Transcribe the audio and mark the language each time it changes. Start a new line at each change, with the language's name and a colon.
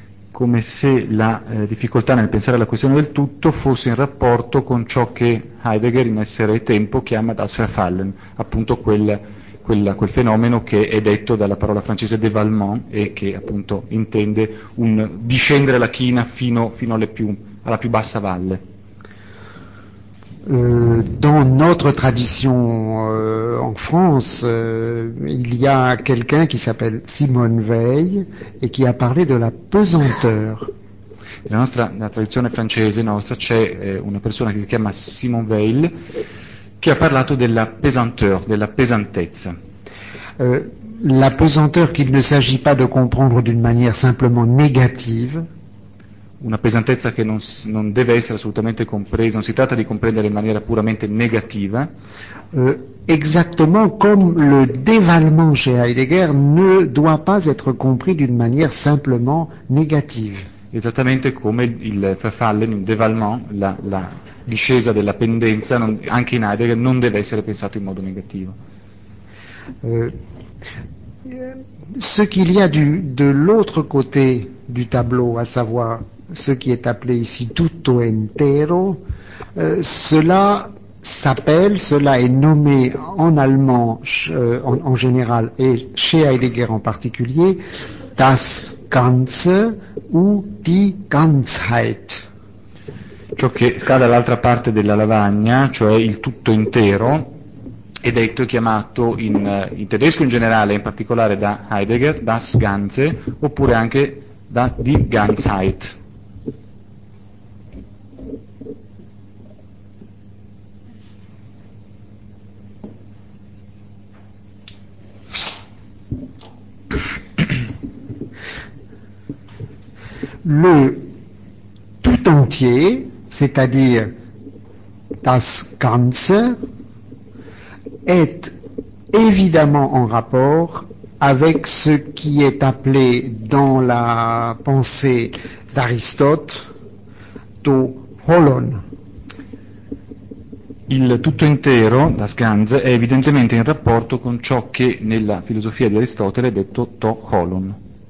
Italian: Come se la difficoltà nel pensare alla questione del tutto fosse in rapporto con ciò che Heidegger in Essere e Tempo chiama Das Verfallen, appunto quel fenomeno che è detto dalla parola francese dévalement e che appunto intende un discendere la china fino alla più bassa valle.
French: Dans notre tradition en France, il y a quelqu'un qui s'appelle Simone Veil et qui a parlé de la pesanteur.
Italian: Nella tradizione francese nostra c'è una persona che si chiama Simone Weil che ha parlato della pesanteur, della pesantezza.
French: La pesanteur qu'il ne s'agit pas de comprendre d'une manière simplement négative.
Italian: Una pesantezza che non deve essere assolutamente compresa, non si tratta di comprendere in maniera puramente negativa.
French: Exactement comme le dévalement chez Heidegger ne doit pas être compris d'une manière simplement négative.
Italian: Esattamente come il Verfallen, il dévalement, la discesa della pendenza, anche in Heidegger, non deve essere pensato in modo negativo.
French: Ce qu'il y a de l'autre côté du tableau, à savoir ce qui est appelé ici tutto entero, cela est nommé en allemand, en général, et chez Heidegger en particulier, das Ganze ou die Ganzheit.
Italian: Ciò che sta dall'altra parte della lavagna, cioè il tutto intero, è detto e chiamato in tedesco in generale, in particolare da Heidegger, das Ganze, oppure anche da die Ganzheit.
French: Le tout entier, c'est-à-dire das Ganze, est évidemment en rapport avec ce qui est appelé dans la pensée d'Aristote, το holon.
Italian: Il tutto intero, das Ganze, è evidentemente in rapporto con ciò che nella filosofia di Aristotele è detto to holon.